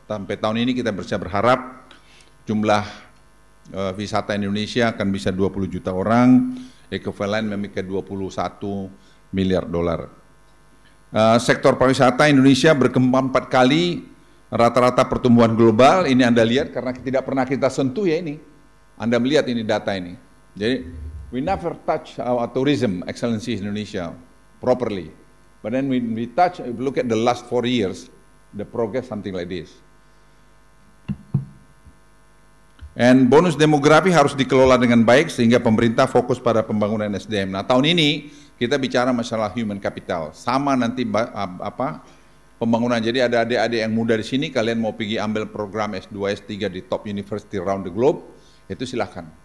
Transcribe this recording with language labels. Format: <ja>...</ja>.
<id>Sampai tahun ini kita bisa berharap jumlah wisata Indonesia akan bisa 20 juta orang, equivalent memikir 21 miliar dolar. Sektor pariwisata Indonesia berkembang 4 kali rata-rata pertumbuhan global, ini Anda lihat karena tidak pernah kita sentuh ya ini. Anda melihat ini data ini.</id> <en>Jadi, we never touch our tourism excellency in Indonesia properly. But then when we touch, if you look at the last 4 years, the progress something like this.</en> <id>And bonus demografi harus dikelola dengan baik sehingga pemerintah fokus pada pembangunan SDM. Nah, tahun ini kita bicara masalah human capital. Sama nanti apa pembangunan. Jadi ada adik-adik yang muda di sini, kalian mau pergi ambil program S2, S3 di</id> <en>top university around the globe,</en> <id>itu silakan.</id>